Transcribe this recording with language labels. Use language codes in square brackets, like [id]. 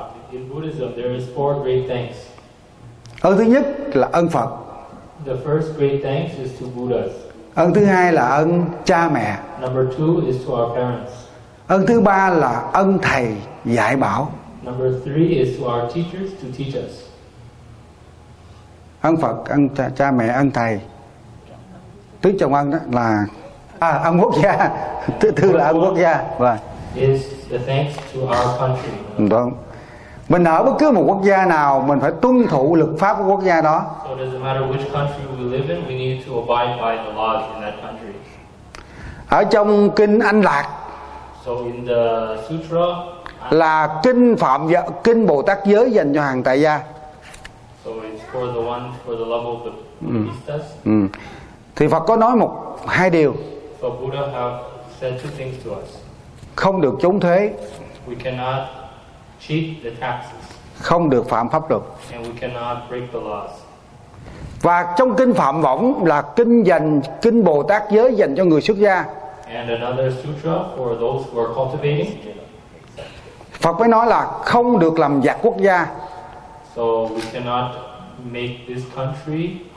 [en] In Buddhism, there is four great thanks. [vi] Ân thứ nhất là ân Phật. [en] The first great thanks is to Buddhas. [vi] Ân thứ hai là ân cha mẹ. [en] Number two is to our parents. [vi] Ân thứ ba là ân thầy dạy bảo. [en] Number three is to our teachers to teach us. [vi] Ân Phật, ân cha mẹ, ân thầy. Tứ chồng ân đó là ân quốc gia. Thứ là ân quốc gia. [en] Is the thanks to our country. [vi] Đúng. Mình ở bất cứ một quốc gia nào, mình phải tuân thủ luật pháp của quốc gia đó. [en] So it doesn't matter which country we live in, we need to abide by the laws in that country. [vi] Ở trong kinh An Lạc, [en] so in the sutra, [vi] là kinh Phạm Giới, kinh Bồ Tát Giới dành cho hàng tại gia. [en] So it's for the one for the love of the Buddhists. [vi] Thì Phật có nói một hai điều. [en] So Buddha have said two things to us. [vi] Không được trốn thuế. [en] We cannot cheat the taxes. [vi] Không được phạm pháp luật. [en] And we cannot break the laws. [vi] Và trong kinh Phạm Võng là kinh Bồ Tát Giới dành cho người xuất gia. [en] And another sutra for those who are cultivating. [vi] Phật mới nói là không được làm giặc quốc gia. [en] So we cannot make this country.